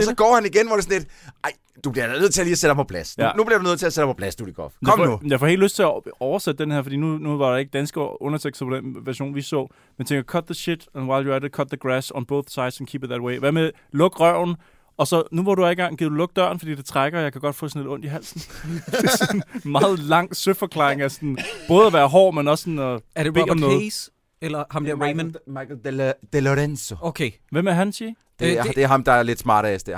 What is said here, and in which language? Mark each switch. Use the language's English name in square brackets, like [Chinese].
[Danish] Og så går han igen, hvor det er sådan lidt, ej, du bliver nødt til at lige sætte dig på plads. Ja. Nu bliver du nødt til at sætte dig på plads, Dudikoff. Kom nu. Jeg får helt lyst til at oversætte den her, fordi nu var der ikke danske undertekster på den version, vi så. Men tænker, [English] cut the shit, and while you're at it, cut the grass on both sides and keep it that way. [Danish] Hvad med, luk røven, og så nu hvor du er i gang, giver du luk døren, fordi det trækker, og jeg kan godt få sådan lidt ondt i halsen. Det er sådan en meget lang søforklaring af sådan, både at være hård, men også sådan at er det Robert Case? Eller ham der Raymond? Michael DeLorenzo. Okay. Hvem er han, siger? Det er ham, der er lidt smartere af det.